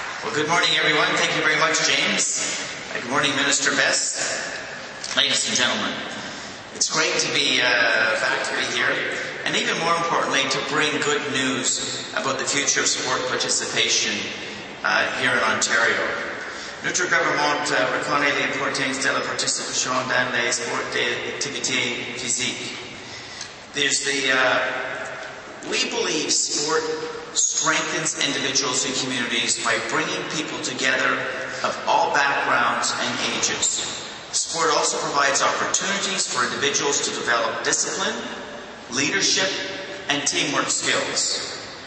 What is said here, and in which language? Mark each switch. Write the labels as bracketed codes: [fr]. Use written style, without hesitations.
[en] Good morning, everyone. Thank you very much, James. Good morning, Minister Best. Ladies and gentlemen, it's great to be back to be here, and even more importantly, to bring good news about the future of sport participation here in Ontario. [fr] Notre gouvernement reconnaît l'importance de la participation dans les sports d'activité physique. [en] There's the we believe sport strengthens individuals and communities by bringing people together of all backgrounds and ages. Sport also provides opportunities for individuals to develop discipline, leadership, and teamwork skills.